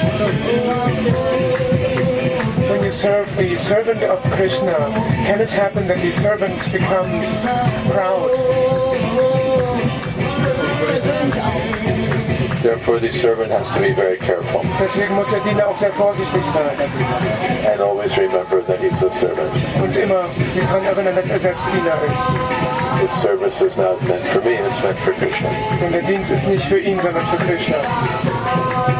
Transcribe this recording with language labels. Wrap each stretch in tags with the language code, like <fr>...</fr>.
<en>When you serve the servant of Krishna, can it happen that the servant becomes proud? Therefore, the servant has to be very careful.</en> <de>Deswegen muss der Diener auch sehr vorsichtig sein.</de> <en>And always remember that he's a servant.</en> <de>Und immer sich daran erinnern, dass er selbst Diener ist.</de> <en>His service is not meant for me, it's meant for Krishna.</en> <de>Denn der Dienst ist nicht für ihn, sondern für Krishna.</de>